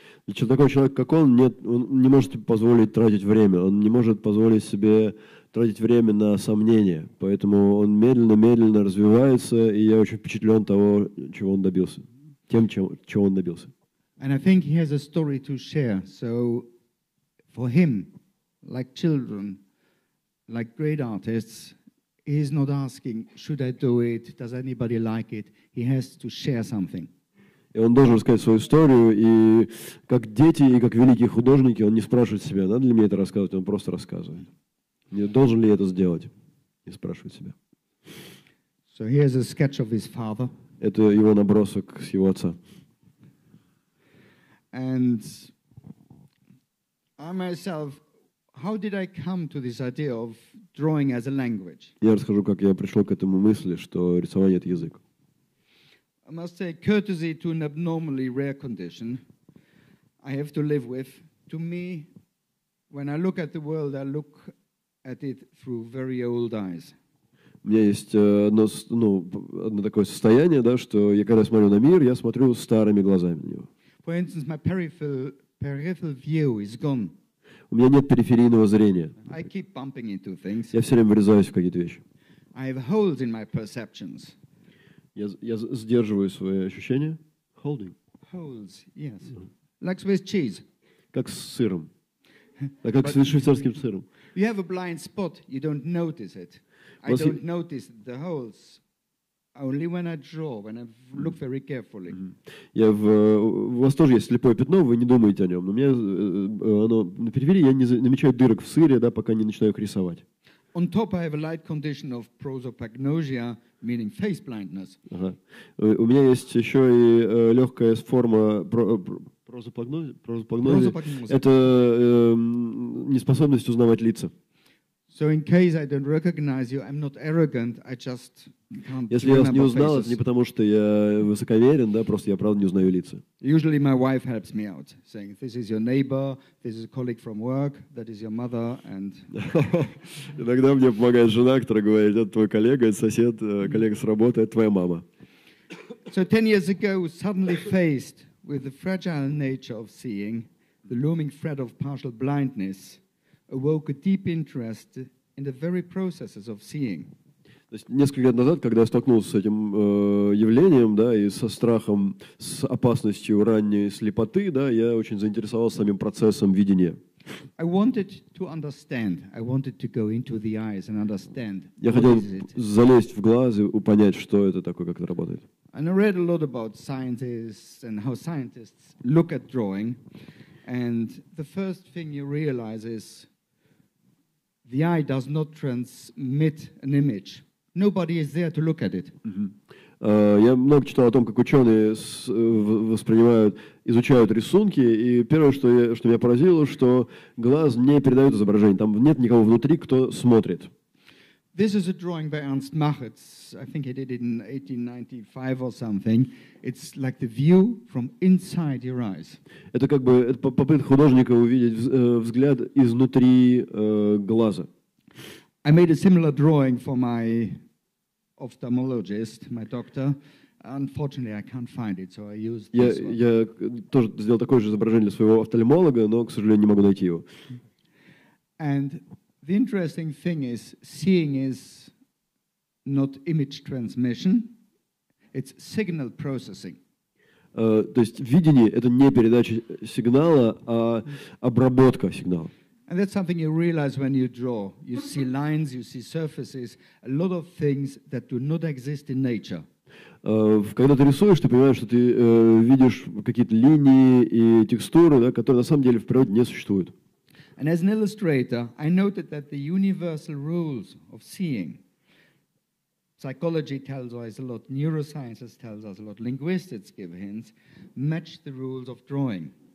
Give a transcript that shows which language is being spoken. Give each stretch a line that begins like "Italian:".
Russian: Такой человек, как он, нет, он не может позволить тратить время. Он не может позволить себе тратить время на сомнения. Поэтому он медленно развивается, и я очень впечатлен того, чего он добился, тем, чего он добился.
English: And I think he has a story to share. So for him, like children. Like great artists, he is not asking, should I do it? Does anybody like it? He has to share something.
Russian: И он должен рассказать свою историю, и как дети, и как великие художники, он не спрашивает себя, надо ли мне это рассказывать, он просто рассказывает. Не должен ли я это сделать? Не спрашивает себя.
English: So here's a sketch of his father.
Russian: Это его набросок с его отца.
English: And I myself. How did I come to this idea of drawing as a language?
Russian: Я расскажу, как я пришел к этому мысли, что рисование — это язык.
English: I must say, courtesy to an abnormally rare condition I have to live with. To me, when I look at the world, I look at it through very old eyes.
Russian: У меня есть одно такое состояние, да, что я когда смотрю на мир, я смотрю старыми глазами на него.
English: For instance, my peripheral view is gone.
Russian: У меня нет периферийного зрения.
English: I keep bumping into things.
Russian: Я все время врезаюсь в какие-то вещи.
English: I have holes in my perceptions.
Russian: Я сдерживаю свои ощущения.
English: Holding. Holes, yes. Mm-hmm. Like Swiss cheese.
Russian: Как с сыром. А как с швейцарским сыром.
English: You have a blind spot, you don't notice it. I don't notice the holes. Only when I draw, when I look very carefully.
Russian: Я в у вас тоже есть слепое пятно, вы не думаете о нем. Но у меня оно на периферии, я не замечаю дырок в сыре, да, пока не начинаю их рисовать.
English: On top, I have a light condition of prosopagnosia, meaning face blindness.
Russian: Ага. У меня есть еще и легкая форма прозопагнозия. Это неспособность узнавать лица.
English: So in case I don't recognize you, I'm not arrogant, I just can't.
Russian: Если я вас не узнал, это не потому, что я высоковерен, да, просто я правда не узнаю лица.
English: Usually my wife helps me out, saying, this is your neighbor, this is a colleague from work, that is your mother, and...
Russian: Иногда мне помогает жена, которая говорит, это твой коллега, это сосед, коллега с работы, это твоя мама.
English: So 10 years ago, suddenly faced with the fragile nature of seeing, the looming threat of partial blindness, awoke a deep interest in the very processes of seeing.
Russian: То есть несколько лет назад, когда я столкнулся с этим явлением, да, и со страхом, с опасностью ранней слепоты, да, я очень заинтересовался самим процессом видения.
English: I wanted to understand. I wanted to go into the eyes and understand.
Russian: Я хотел залезть в глаз и понять, что это такое, как это работает.
English: And I read a lot about scientists and how scientists look at drawing. And the first thing you realize is the eye does not transmit an image. Nobody is there to look at it.
Russian: Я много читал о том, как ученые воспринимают, изучают рисунки, и первое, что меня поразило, что глаз не передает изображение. Там нет никого внутри, кто смотрит.
English: This is a drawing by Ernst Machitz. I think he did it in 1895 or something. It's like the view from inside your eyes.
Russian: Это как бы попытка художника увидеть взгляд изнутри глаза.
English: I made a similar drawing for my ophthalmologist, my doctor. Unfortunately, I can't find it, so I used this one.
Russian: Я тоже сделал такое же изображение для своего офтальмолога, но, к сожалению, не могу найти его.
English: And the interesting thing is, seeing is not image transmission, it's signal processing.
Russian: То есть видение — это не передача сигнала, а обработка сигнала.
English: And that's something you realize when you draw. You see lines, you see surfaces, a lot of things that do not exist in nature.
Russian: Когда ты рисуешь, ты понимаешь, что ты видишь какие-то линии и текстуры, да, которые на самом деле в природе не существуют.
English: And as an illustrator, I noted that the universal rules of seeing, psychology tells us a lot, neurosciences tells us a lot, linguistics give hints, match the rules of drawing.